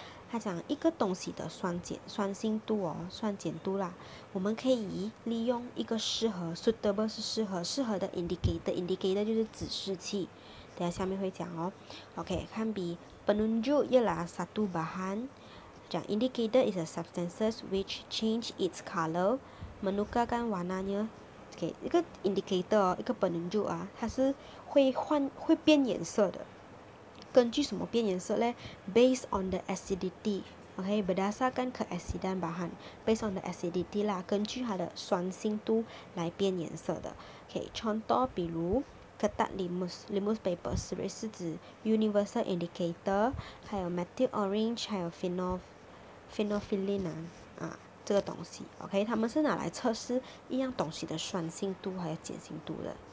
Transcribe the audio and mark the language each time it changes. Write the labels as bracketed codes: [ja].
[zh] 他讲一个东西的酸碱度啦，我们可以利用一个适合 suitable 是适合的 indicator 就是指示器，等下下面会讲哦。 [en] OK， 看 B， [ms] penunjuk ialah satu bahan， [en] 讲 indicator is a substance which change its color， [ms] menukarkan warnanya。 [zh] OK， 一个 indicator 哦，一个 penunjuk 啊，它是会变颜色的。根据什么变颜色呢 ？ [en] Based on the acidity， [zh] OK， [ms] berdasarkan keasidan bahan， [en] based on the acidity [zh] 啦，根据它的酸性度来变颜色的。 OK， 参照比如 ，ketat limus paper series 是指 universal indicator， 还有 methyl orange， 还有 phenolphthalein 啊，这个东西 ，OK， 他们是拿来测试一样东西的酸性度还有碱性度的。